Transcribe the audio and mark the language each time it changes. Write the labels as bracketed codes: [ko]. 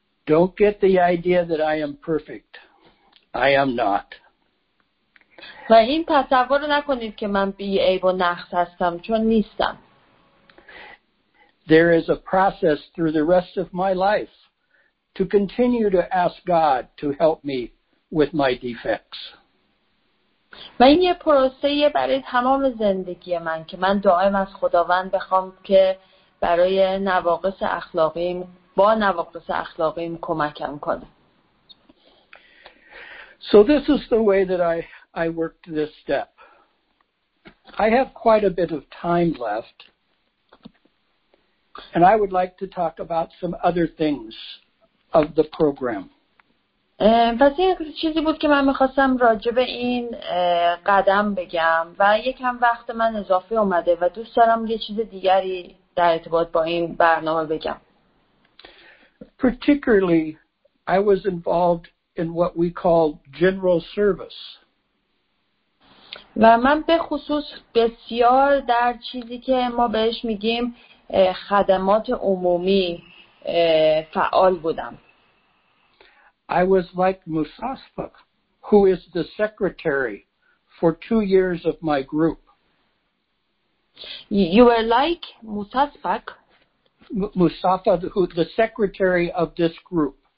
[en] Don't get the idea that I am perfect. I am not. [fa] و این تصور رو نکنید که من بی عیب و نقص هستم چون نیستم. [en] There is a process through the rest of my life to continue to ask God to help me with my defects. [fa] و این یه پروسه برای تمام زندگی من که من دائم از خداوند بخوام که برای نواقص اخلاقیم با نواقص اخلاقیم کمکم کنه. [en] So this is the way that I worked this step. I have quite a bit of time left, and I would like to talk about some other things of the program. [fa] پس این چیزی بود که من می‌خواستم راجع به این قدم بگم و یکم وقت من اضافه اومده و دوست دارم یه چیز دیگری در ارتباط با این برنامه بگم. [en] Particularly, I was involved in what we call general service. [fa] و من به خصوص بسیار در چیزی که ما بهش میگیم خدمات عمومی فعال بودم. [en] I was like Musaspak, who is the secretary for 2 years of my group. You were like Musaspak? Musafa, who the secretary of this group.